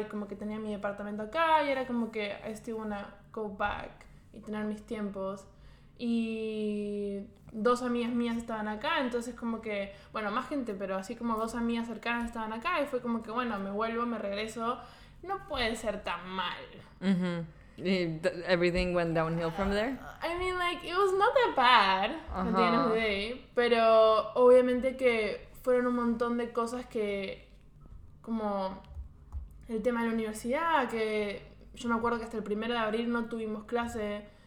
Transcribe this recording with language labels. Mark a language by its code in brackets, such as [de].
[es] Y como que tenía mi departamento acá. Y era como que, [en] wanna go back [es] y tener mis tiempos. Y dos amigas mías estaban acá, entonces como que, bueno, más gente, pero así como dos amigas cercanas estaban acá. Y fue como que, bueno, me vuelvo, me regreso, no puede ser tan mal. [en] Uh-huh. Everything went downhill from there. I mean, like, it was not that bad, at the end of the day. [es] Pero obviamente que fueron un montón de cosas que, como el tema de la universidad, que yo me acuerdo que hasta el 1 de abril no tuvimos clase.